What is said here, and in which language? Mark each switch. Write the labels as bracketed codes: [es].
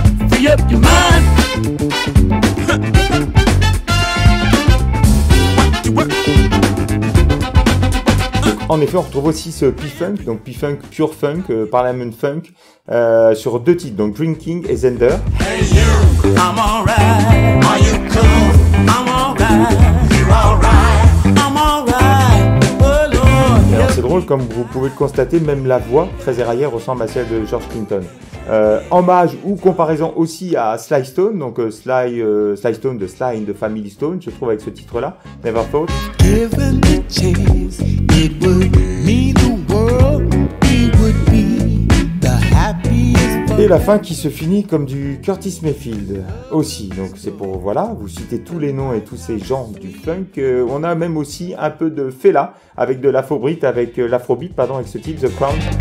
[en] Free up your mind. [fr] En effet, on retrouve aussi ce P-Funk, donc P-Funk, Pure Funk, Parliament Funk, sur deux titres, donc Drinking et Zender. [en] Hey you, I'm alright, are you cool, I'm alright, you're alright, I'm alright, oh Lord. Yeah. [fr] Alors c'est drôle, comme vous pouvez le constater, même la voix, très éraillée, ressemble à celle de George Clinton. Hommage ou comparaison aussi à Sly Stone, donc Sly Stone de Sly and the Family Stone, je trouve avec ce titre-là, Never Thought. [en] Given the chance, it would mean the world, it would be the happiest world. [fr] Et la fin qui se finit comme du Curtis Mayfield aussi, donc c'est pour, voilà, vous citez tous les noms et tous ces genres du funk. On a même aussi un peu de Fela avec de l'Afrobeat, avec ce titre, The Crown.